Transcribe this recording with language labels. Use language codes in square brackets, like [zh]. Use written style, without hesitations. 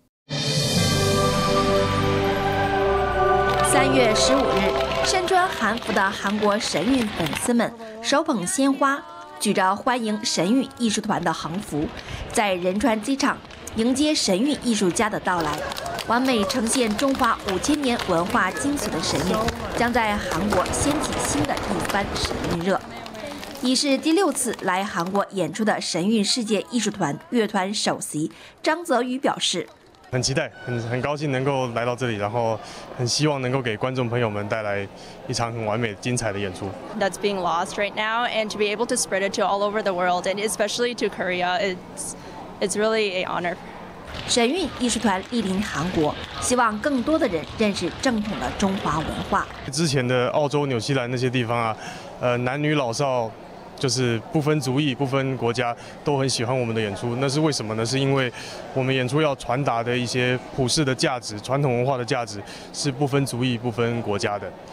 [zh] 3月15日，身穿韩服的韩国神韵粉丝们手捧鲜花，举着欢迎神韵艺术团的横幅，在仁川机场迎接神韵艺术家的到来，完美呈现中华5000年文化精髓的神韵，将在韩国掀起新的一番神韵热。已是第六次来韩国演出的神韵世界艺术团乐团首席张泽宇表示，很期待，很高兴能够来到这里，然后很希望能够给观众朋友们带来一场很完美精彩的演出。 [en] That's being lost right now, and to be able to spread it to all over the world and especially to Korea, it's really an honor. [zh] 神韵艺术团莅临韩国，希望更多的人认识正统的中华文化。之前的澳洲、纽西兰那些地方啊，男女老少就是不分族裔、不分国家，都很喜欢我们的演出。那是为什么呢？是因为我们演出要传达的一些普世的价值、传统文化的价值是不分族裔、不分国家的。